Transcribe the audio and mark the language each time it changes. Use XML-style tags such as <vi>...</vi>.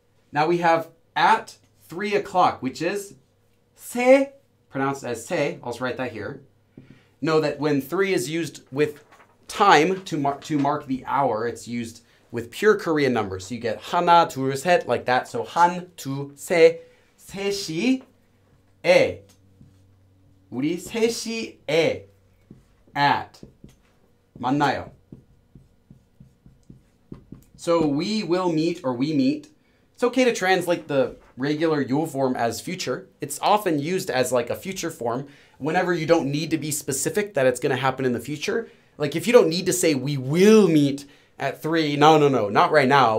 <en>Now we have at 3 o'clock, which is 세, pronounced as 세. I'll just write that here. Know that when 3 is used with time to mark the hour, it's used with pure Korean numbers. So you get</en> <ko>하나, 둘, 셋,</ko> <en>like that.</en> <ko>So 한, 두, 세, 세 시, 에. 우리 세 시에 at 만나요.</ko> <en>So we will meet or we meet. It's okay to translate the regular you form as future. It's often used as like a future form whenever you don't need to be specific that it's going to happen in the future. Like if you don't need to say we will meet at 3, no, not right now.</en>